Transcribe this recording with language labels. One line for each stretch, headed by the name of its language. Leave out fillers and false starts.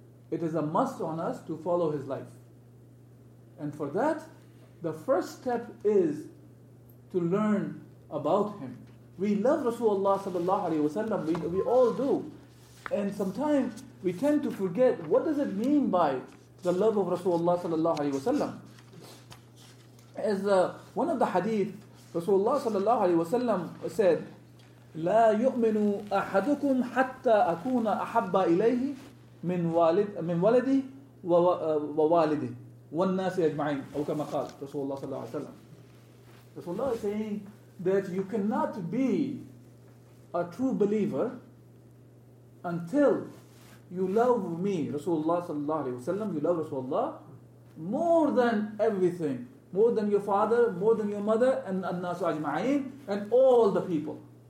English: It is a must on us to follow his life. And for that, the first step is to learn about him. We love Rasulullah sallallahu alayhi wa sallam, we all do. And sometimes we tend to forget, what does it mean by the love of Rasulullah sallallahu alayhi wa sallam? As one of the hadith, Rasulullah sallallahu alayhi wa sallam said,
Arabic: لا يؤمن أحدكم حتى أكون أحب إليه من والدي ووالدي والناس أجمعين. أو كما قال
English: Rasulullah sallallahu alayhi wa sallam. Rasulullah is saying that you cannot be a true believer until you love me, Rasulullah sallallahu alayhi wa sallam, you love Rasulullah more than everything, more than your father, more than your mother, and annasu ajma'in, and all the people.